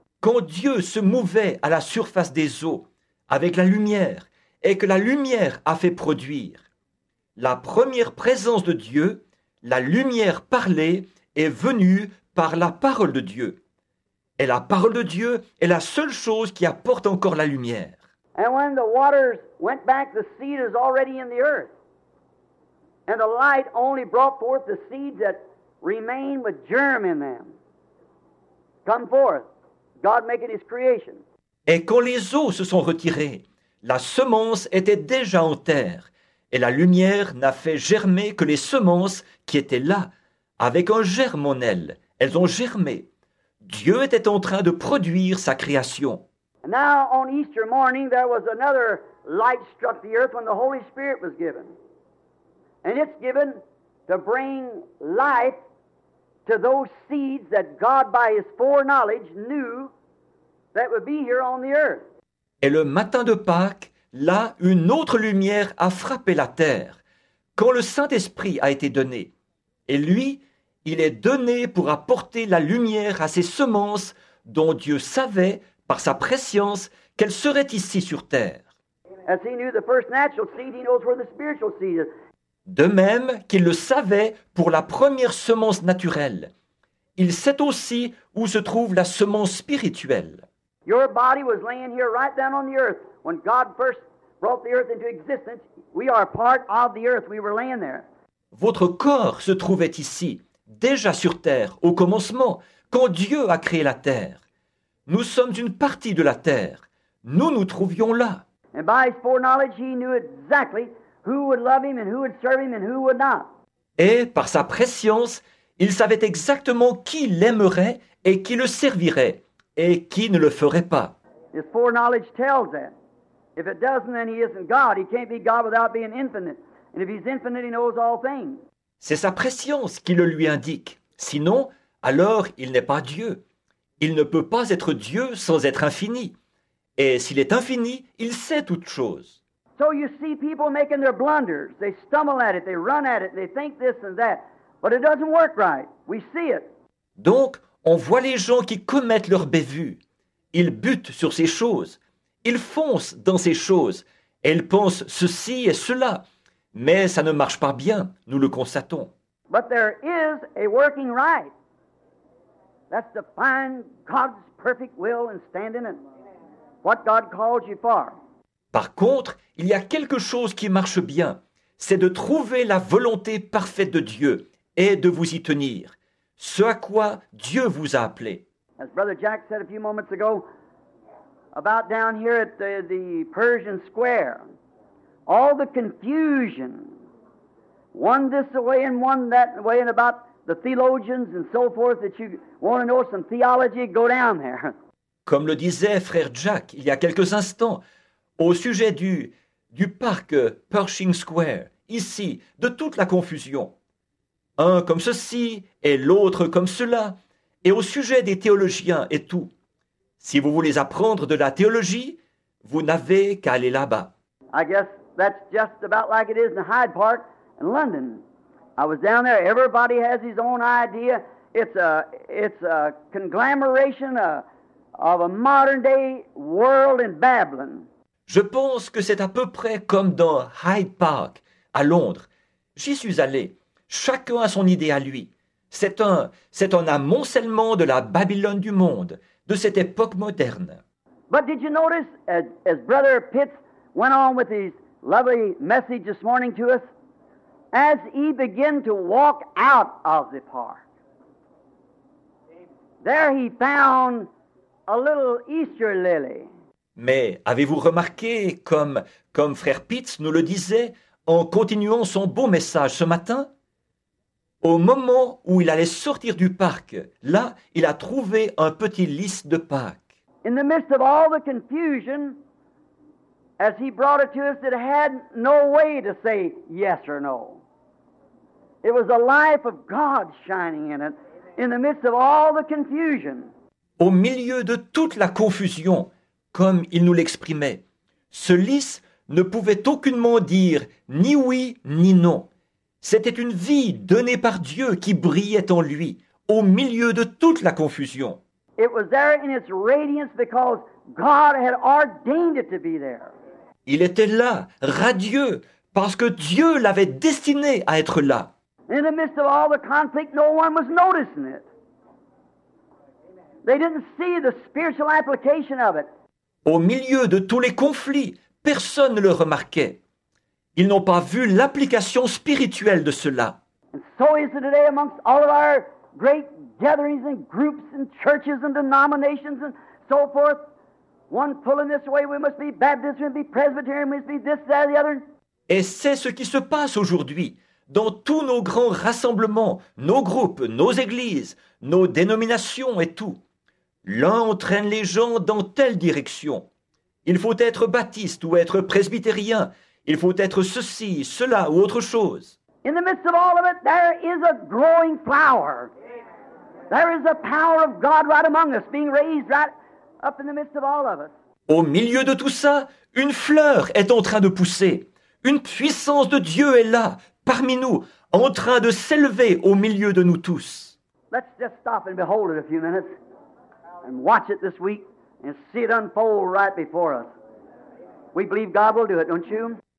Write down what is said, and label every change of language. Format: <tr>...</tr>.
<fr>Quand Dieu se mouvait à la surface des eaux avec la lumière et que la lumière a fait produire, la première présence de Dieu, la lumière parlée, est venue par la parole de Dieu. Et la parole de Dieu est la seule chose qui apporte encore la lumière.</fr> <en>And when the waters went back, the seed is already in the earth. And the light only brought forth the seeds that remain with germ in them. Come forth. God making his creation.</en> <fr>Et quand les eaux se sont retirées, la semence était déjà en terre, et la lumière n'a fait germer que les semences qui étaient là, avec un germe en elles. Elles ont germé. Dieu était en train de produire sa création.</fr> <en>And now, on Easter morning, there was another light struck the earth when the Holy Spirit was given. And it's given to bring life to those seeds that God by his foreknowledge knew that would be here on the earth.</en> <fr>Et le matin de Pâques, là, une autre lumière a frappé la terre, quand le Saint-Esprit a été donné. Et lui, il est donné pour apporter la lumière à ces semences dont Dieu savait, par sa prescience, qu'elles seraient ici sur terre.</fr> <en>As he knew the first natural seed, he knows where the spiritual seed is.</en> <fr>De même qu'il le savait pour la première semence naturelle, il sait aussi où se trouve la semence spirituelle.</fr> <en>Your body was laying here right down on the earth when God first brought the earth into existence. We are part of the earth. We were laying there.</en> <fr>Votre corps se trouvait ici, déjà sur terre, au commencement, quand Dieu a créé la terre. Nous sommes une partie de la terre. Nous nous trouvions là.</fr> <en>And by his foreknowledge, he knew exactly who would love him and who would serve him and who would not.</en> <fr>Et par sa prescience, il savait exactement qui l'aimerait et qui le servirait et qui ne le ferait pas.</fr> <en>His foreknowledge tells that. If it doesn't, then he isn't God. He can't be God without being infinite. And if he's infinite, he knows all things.</en> <fr>C'est sa prescience qui le lui indique. Sinon, alors il n'est pas Dieu. Il ne peut pas être Dieu sans être infini. Et s'il est infini, il sait toutes choses.</fr> <en>So you see people making their blunders. They stumble at it, they run at it, they think this and that. But it doesn't work right. We see it.</en> <fr>Donc, on voit les gens qui commettent leurs bévues. Ils butent sur ces choses. Ils foncent dans ces choses. Et ils pensent ceci et cela. Mais ça ne marche pas bien, nous le constatons.</fr> <en>But there is a working right. That's to find God's perfect will and stand in it. What God calls you for.</en> <fr>Par contre, il y a quelque chose qui marche bien. C'est de trouver la volonté parfaite de Dieu et de vous y tenir. Ce à quoi Dieu vous a appelé.</fr> <en>As Brother Jack said a few moments ago, about down here at the Pershing Square, all the confusion, one this way and one that way, and about the theologians and so forth, that you want to know some theology, go down there.</en> <fr>Comme le disait Frère Jack il y a quelques instants, au sujet du parc Pershing Square, ici, de toute la confusion, un comme ceci et l'autre comme cela, et au sujet des théologiens et tout. Si vous voulez apprendre de la théologie, vous n'avez qu'à aller là-bas.</fr> <en>I guess that's just about like it is in Hyde Park in London. I was down there, everybody has his own idea. It's a conglomeration of a modern day world in Babylon.</en> <fr>Je pense que c'est à peu près comme dans Hyde Park à Londres. J'y suis allé. Chacun a son idée à lui. C'est un amoncellement de la Babylone du monde, de cette époque moderne.</fr> <en>But did you notice as Brother Pitts went on with his lovely message this morning to us, as he began to walk out of the park, there he found a little Easter lily.</en> <fr>Mais avez-vous remarqué comme Frère Pitts nous le disait en continuant son beau message ce matin? Au moment où il allait sortir du parc, là, il a trouvé un petit lys de Pâques.</fr> <en>In the midst of all the confusion, as he brought it to us, it had no way to say yes or no. It was the life of God shining in it, in the midst of all the confusion.</en> <fr>Au milieu de toute la confusion, comme il nous l'exprimait, ce lys ne pouvait aucunement dire ni oui ni non. C'était une vie donnée par Dieu qui brillait en lui, au milieu de toute la confusion.</fr> <en>It was there in its radiance because God had ordained it to be there.</en> <fr>Il était là, radieux, parce que Dieu l'avait destiné à être là.</fr> <en>In the midst of all the conflict, no one was noticing it. They didn't see the spiritual application of it.</en> <fr>Au milieu de tous les conflits, personne ne le remarquait. Ils n'ont pas vu l'application spirituelle de cela.</fr> <en>And so is it today amongst all of our great gatherings and groups and churches and denominations and so forth. One pulling this way, we must be Baptist, we must be Presbyterian, we must be this, that, the other.</en> <fr>Et c'est ce qui se passe aujourd'hui. Dans tous nos grands rassemblements, nos groupes, nos églises, nos dénominations et tout. L'un entraîne les gens dans telle direction. Il faut être baptiste ou être presbytérien. Il faut être ceci, cela ou autre chose.</fr> <en>In the midst of all of it, there is a growing flower. There is a power of God right among us, being raised right up in the midst of all of us.</en> <fr>Au milieu de tout ça, une fleur est en train de pousser. Une puissance de Dieu est là, parmi nous, en train de s'élever au milieu de nous tous.</fr> <en>Let's just stop and behold it a few minutes and watch it this week and see it unfold right before us. We believe God will do it, don't you?</en>